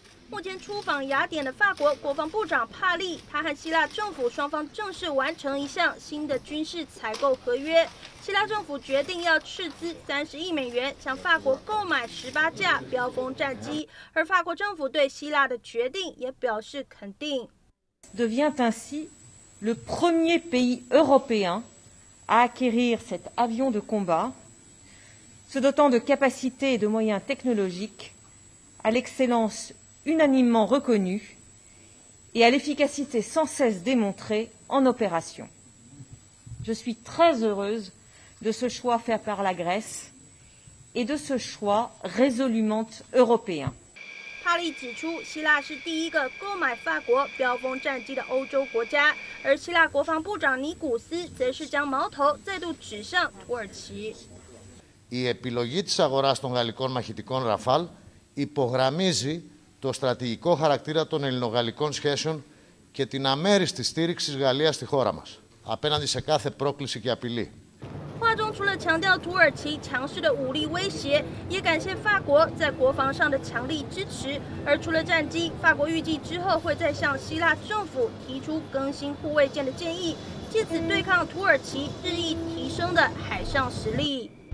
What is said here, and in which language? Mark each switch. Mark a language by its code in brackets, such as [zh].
[zh] 目前出访雅典的法国国防部长帕利，他和希腊政府双方正式完成一项新的军事采购合约。希腊政府决定要斥资30亿美元向法国购买18架飙风战机，而法国政府对希腊的决定也表示肯定。 [fr] Devient ainsi le premier pays européen à acquérir cet avion de combat, se dotant de capacités et de moyens technologiques à l'excellence unanimement reconnu et à l'efficacité sans cesse démontrée en opération. Je suis très heureuse de ce choix fait par la Grèce et de ce choix résolument européen. [zh] 帕利指出，希腊是第一个购买法国飙风战机的欧洲国家，而希腊国防部长尼古斯则是将矛头再度指向土耳其。 [el] Η επιλογή της αγοράς των γαλλικών μαχητικών Ραφάλ υπογραμμίζει το στρατηγικό χαρακτήρα των ελληνογαλλικών σχέσεων και την αμέριστη στήριξη της Γαλλίας στη χώρα μας, απέναντι σε κάθε πρόκληση και απειλή. [zh] 话中除了强调土耳其强势的武力威胁，也感谢法国在国防上的强力支持。而除了战机，法国预计之后会再向希腊政府提出更新护卫舰的建议，借此对抗土耳其日益提升的海上实力。